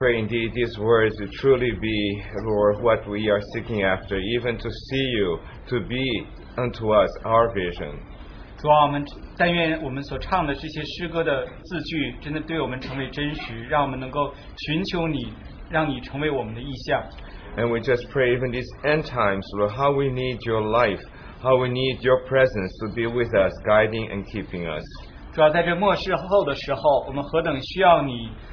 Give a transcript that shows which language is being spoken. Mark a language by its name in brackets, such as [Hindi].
[English] Pray indeed these words to truly be, Lord, what we are seeking after, even to see you, to be unto us our vision. [Chinese] 主啊，我们但愿我们所唱的这些诗歌的字句，真的对我们成为真实，让我们能够寻求你，让你成为我们的意象。 [English] And we just pray even these end times, Lord, how we need your life, how we need your presence to be with us, guiding and keeping us. [Chinese] 主啊，在这末世后的时候，我们何等需要你。